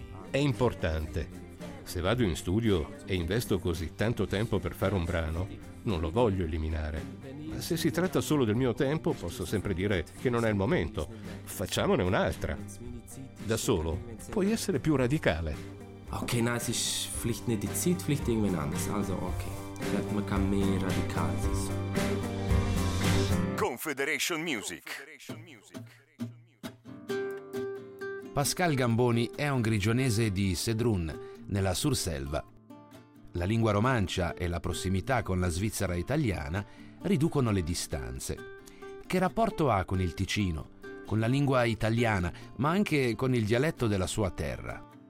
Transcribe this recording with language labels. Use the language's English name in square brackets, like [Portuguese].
[Italian] È importante. Se vado in studio e investo così tanto tempo per fare un brano, non lo voglio eliminare. Ma se si tratta solo del mio tempo, posso sempre dire che non è il momento. Facciamone un'altra. Da solo puoi essere più radicale. [German] Ok, no, es ist vielleicht nicht die Zeit, vielleicht irgendwie anders. Also, ok. Vielleicht man kann mehr radikal sein. [Italian] Confederation Music. Pascal Gamboni è un grigionese di Sedrun, nella Surselva. La lingua romancia e la prossimità con la Svizzera italiana riducono le distanze. Che rapporto ha con il Ticino, con la lingua italiana, ma anche con il dialetto della sua terra?